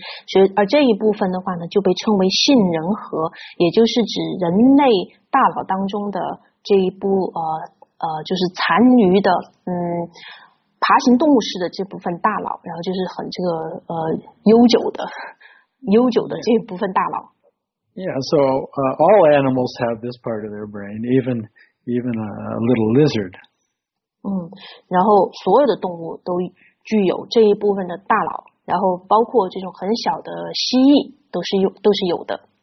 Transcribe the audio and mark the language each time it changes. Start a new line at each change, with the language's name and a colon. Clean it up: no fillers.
Chinese: 所以而这一部分的话呢，就被称为杏仁核，也就是指人类大脑当中的这一部就是残余的爬行动物式的这部分大脑，然后就是很这个悠久的这一部分大脑。
English: Yeah, so all animals have this part of their brain, even a little lizard.
Chinese: 然后所有的动物都具有这一部分的大脑，然后包括这种很小的蜥蜴都是有的。